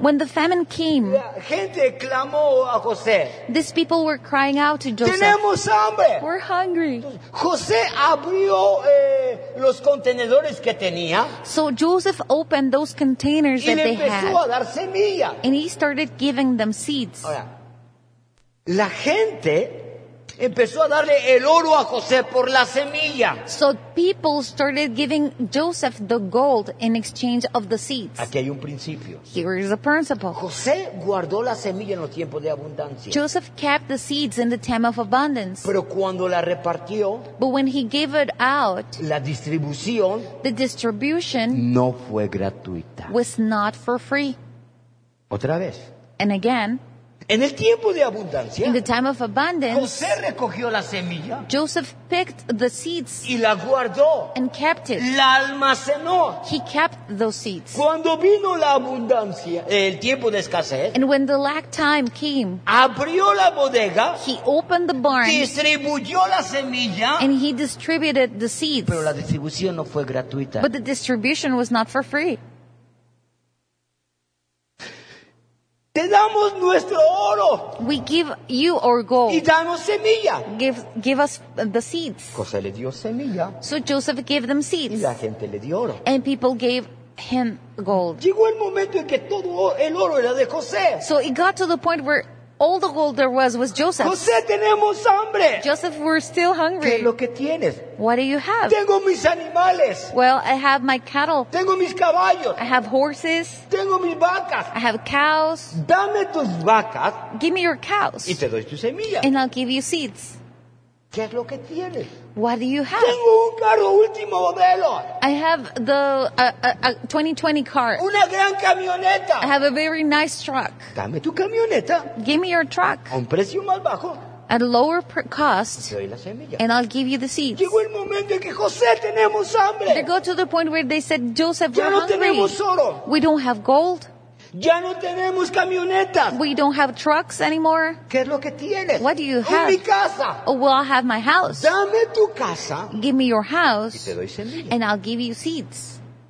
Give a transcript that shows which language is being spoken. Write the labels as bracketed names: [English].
[English] when the famine came, [Spanish] la gente clamó a José. [English] These people were crying out to Joseph. [Spanish] Tenemos hambre. [English] We're hungry. [Spanish] José abrió los contenedores que tenía. [English] So Joseph opened those containers that they had. [Spanish] Y le empezó a dar semilla. [English] And he started giving them seeds. [Spanish] Ahora, la gente empezó a darle el oro a José por la semilla. [English] So people started giving Joseph the gold in exchange of the seeds. [Spanish] Aquí hay un principio. [English] Here is a principle. [Spanish] José guardó la semilla en los tiempos de abundancia. [English] Joseph kept the seeds in the time of abundance. [Spanish] Pero cuando la repartió, [English] but when he gave it out, [Spanish] la distribución, [English] the distribution, [Spanish] no fue gratuita. [English] Was not for free. [Spanish] Otra vez. [English] And again, [Spanish] en el tiempo de abundancia, [English] in the time of abundance, [Spanish] José recogió la semilla, [English] Joseph picked the seeds, [Spanish] y la guardó, [English] and kept it. [Spanish] La almacenó. [English] He kept those seeds. [Spanish] Cuando vino la abundancia, el tiempo de escasez, [English] and when the lack time came, [Spanish] abrió la bodega, [English] he opened the barn, [Spanish] distribuyó la semilla, [English] and he distributed the seeds. [Spanish] Pero la distribución no fue gratuita. [English] But the distribution was not for free. [Spanish] Te damos nuestro oro. [English] We give you our gold. [Spanish] Y danos semilla. [English] Give us the seeds. [Spanish] José le dio semilla. [English] So Joseph gave them seeds. [Spanish] Y la gente le dio oro. [English] And people gave him gold. [Spanish] Llegó el momento en que todo el oro era de José. [English] So it got to the point where all the gold there was Joseph. [Spanish] José, tenemos hambre. [English] Joseph, we're still hungry. [Spanish] ¿Qué es lo que tienes? [English] What do you have? [Spanish] Tengo mis animales. [English] Well, I have my cattle. [Spanish] Tengo mis caballos. [English] I have horses. [Spanish] Tengo mis vacas. [English] I have cows. [Spanish] Dame tus vacas. [English] Give me your cows. [Spanish] Y te doy tus semillas. [English] And I'll give you seeds. [Spanish] ¿Qué es lo que tienes? [English] What do you have? [Spanish] Tengo un carro último modelo. [English] I have the 2020 car. [Spanish] Una gran camioneta. [English] I have a very nice truck. [Spanish] Dame tu camioneta. [English] Give me your truck. [Spanish] A un precio más bajo. [English] At a lower cost. [Spanish] Te doy la semilla. [English] And I'll give you the seeds. [Spanish] Llegó el momento en que José, tenemos hambre. [English] They go to the point where they said, Joseph, [Spanish] ya no tenemos oro. [English] We don't have gold. [Spanish] Ya no tenemos camionetas. [English] We don't have trucks anymore. [Spanish] ¿Qué es lo que tienes? [English] What do you have? [Spanish] Mi casa. [English] Oh, well, I have my house. [Spanish] Dame tu casa. [English] Give me your house. [Spanish] Y te doy semillas. [English] And I'll give you seeds.